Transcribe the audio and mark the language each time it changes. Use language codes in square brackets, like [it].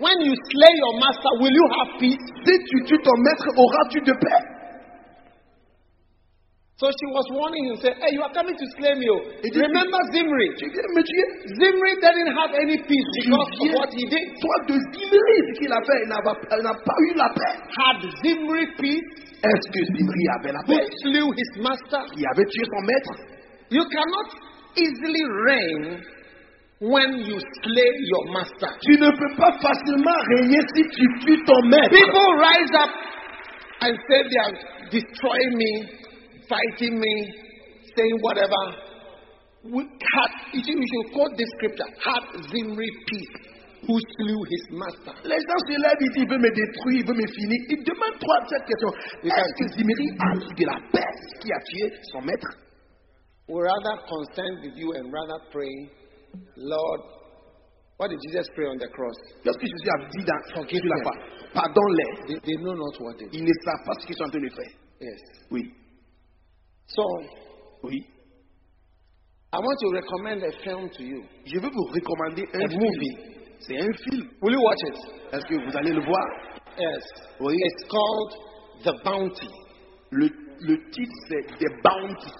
[en] When you slay your master, will you have peace? [fr] Si tu tues ton maître, auras-tu de paix? [en] So she was warning him, saying, "Hey, you are coming to slay me. Oh. Remember Zimri. Zimri didn't have any peace because of what he did. [fr] Toi de Zimri, ce qu'il a fait, il n'a pas eu la paix. [en] Had Zimri peace? [fr] Est-ce que Zimri avait la paix? [en] Who slew his master? [fr] Il avait tué son maître. [en] You cannot easily reign when you slay your master. [fr] Tu ne peux pas facilement régner si tu tues ton maître. [en] People rise up and say they are destroying me. Fighting me, saying whatever. You should quote this scripture. Had Zimri peace, who slew his master. [fr] Les gens se lèvent et disent, il veut me détruire, il veut me finir. Il demande toi cette question. Est-ce que Zimri a eu de la paix qui a tué son maître? [en] We're rather concerned with you and rather pray, Lord, what did Jesus pray on the cross? [fr] Lorsque Jésus a dit dans son cœur de la foi, pardonne-les. [en] They know not what they do. [fr] Ils ne savent pas ce qu'ils sont en train de faire. [en] Yes. [fr] Oui. [en] So, [fr] oui. [en] I want to recommend a film to you. [fr] Je veux vous recommander un [en] a movie. [fr] C'est un film. [en] Will you watch it? [fr] Est-ce que vous allez le voir? [en] Yes. [fr] Oui. [en] It's called The Bounty. [fr] Le titre c'est The Bounty.